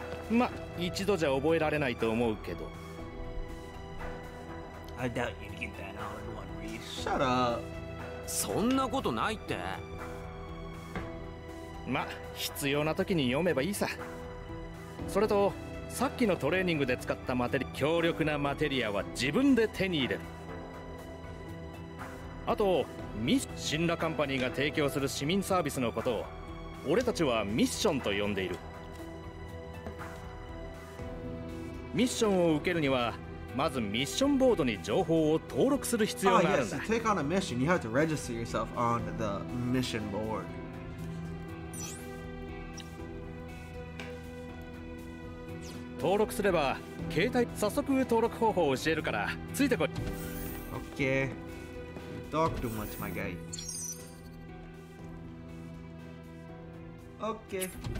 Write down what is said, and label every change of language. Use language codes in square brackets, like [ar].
[ja] ま、一度じゃ覚えられないと思うけど。 [en] I doubt you'd get that all in one read. Shut up. [ja] そんなことないって。ま、必要な時に読めばいいさ。それと。さっきのトレーニングで使ったマテリ強力なマテリアは自分で手に入れる。あとミッシンラカンパニーが提供する市民サービスのことを俺たちはミッションと呼んでいる。ミッションを受けるにはまずミッションボードに情報を登録する必要があるんだ。 [en] To take on a mission, you have to register yourself on the mission board. [ja] 登録すれば携帯早速登録方法を教えるからついてこい。 [en] OK. Talk too much, my guy. OK. What the hell?